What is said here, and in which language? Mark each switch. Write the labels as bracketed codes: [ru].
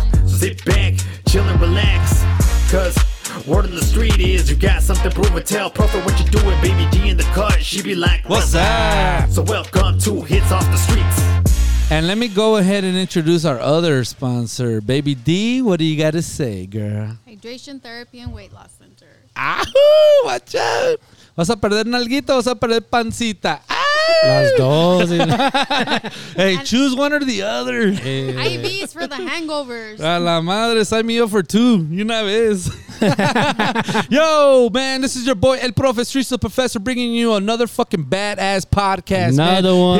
[en] So sit back, chill and relax. Cause word on the street is you got something to prove and tell. Perfect what you're doing, baby D in the car. She be like, what's up? So welcome to Hits off the Streets. And let me go ahead and introduce our other sponsor, Baby D. What do you got to say, girl? Hydration Therapy and Weight Loss Center. Ah, watch out. [es] ¿Vas a perder nalguita o vas a perder pancita? Ay. Las dos. [en] Hey, and choose one or the other. IVs for the hangovers. [es] A la madre, [en] sign me up for two. [es] Una vez. [en] Yo, man, this is your boy, El Profe, Streetz the Professor, bringing you another fucking badass podcast. Another man. One.